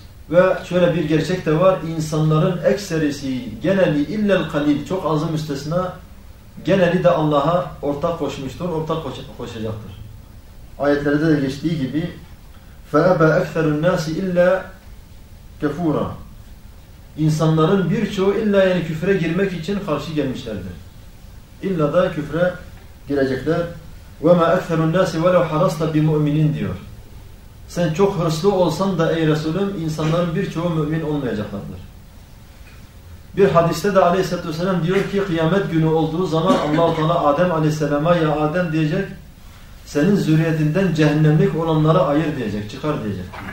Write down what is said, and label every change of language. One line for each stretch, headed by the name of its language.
Turkish: Ve şöyle bir gerçek de var, insanların ekserisi, geneli illel kalil, çok azı müstesna, geneli de Allah'a ortak koşmuştur, ortak koşacaktır. Ayetlerde de geçtiği gibi,
Arabic: فَأَبَا اَكْثَرُ النَّاسِ اِلَّا كَفُورًا
Turkish: İnsanların birçoğu illa yani küfre girmek için karşı gelmişlerdir. İlla da küfre girecekler.
Arabic: وَمَا اَكْثَرُ النَّاسِ وَلَوْ حَرَصْتَ بِمُؤْمِنِينَ
Turkish: diyor. Sen çok hırslı olsan da ey Resulüm, insanların birçoğu mümin olmayacaklardır. Bir hadiste de Aleyhisselatü Vesselam diyor ki kıyamet günü olduğu zaman Allah-u Teala Adem Aleyhisselam'a ya Adem diyecek, senin zürriyetinden cehennemlik olanları ayır diyecek, çıkar diyecek.